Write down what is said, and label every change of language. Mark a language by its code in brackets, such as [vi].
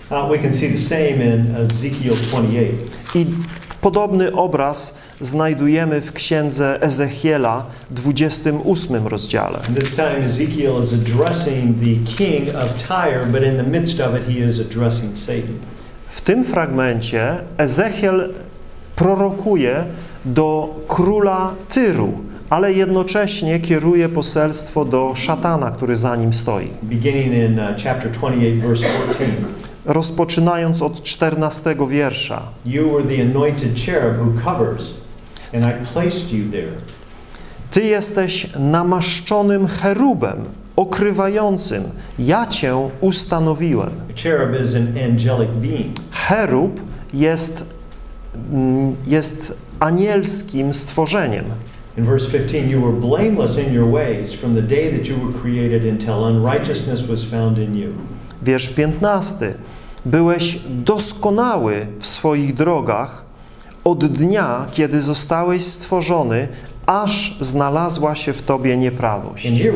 [en] We can see the same in Ezekiel 28. [pl] I podobny obraz znajdujemy w Księdze Ezechiela, 28 rozdziale. [en] This time Ezekiel is addressing the king of Tyre, but in the midst of it he is addressing Satan. [pl] W tym fragmencie Ezechiel prorokuje do króla Tyru, ale jednocześnie kieruje poselstwo do szatana, który za nim stoi. [en] Beginning in chapter 28, verse 14. [pl] Rozpoczynając od 14 wiersza. [en] You were the anointed cherub who covers, and I placed you there. [pl] Ty jesteś namaszczonym cherubem, okrywającym. Ja cię ustanowiłem. [en] A cherub is an angelic being. [pl] Cherub jest, jest anielskim stworzeniem. [en] In verse 15, you were blameless in your ways from the day that you were created until unrighteousness was found in you. [pl] Wiersz 15. Byłeś doskonały w swoich drogach od dnia, kiedy zostałeś stworzony, aż znalazła się w tobie nieprawość.